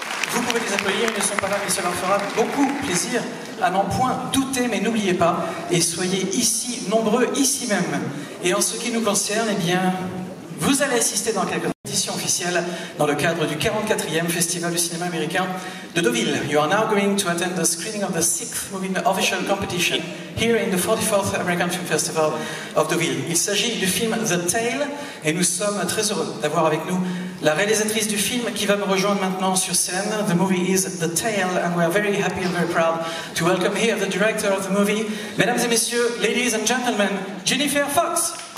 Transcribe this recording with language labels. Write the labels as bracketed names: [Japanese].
[French] Vous pouvez les accueillir, ils ne sont pas là, mais ça leur fera beaucoup plaisir. À n'en point douter, mais n'oubliez pas, et soyez ici, nombreux, ici même. Et en ce qui nous concerne, eh bien, vous allez assister dans quelques éditions officielles dans le cadre du 44e Festival du cinéma américain de Deauville. [English] You are now going to attend the screening of the 6th movie official competition here in the 44th American Film Festival of Deauville. [French] Il s'agit du film The Tale, et nous sommes très heureux d'avoir avec nous la réalisatrice du film qui va me rejoindre maintenant sur scène. [English] The movie is The Tale, and we are very happy and very proud to welcome here the director of the movie, [French] mesdames et messieurs, [English] ladies and gentlemen, Jennifer Fox.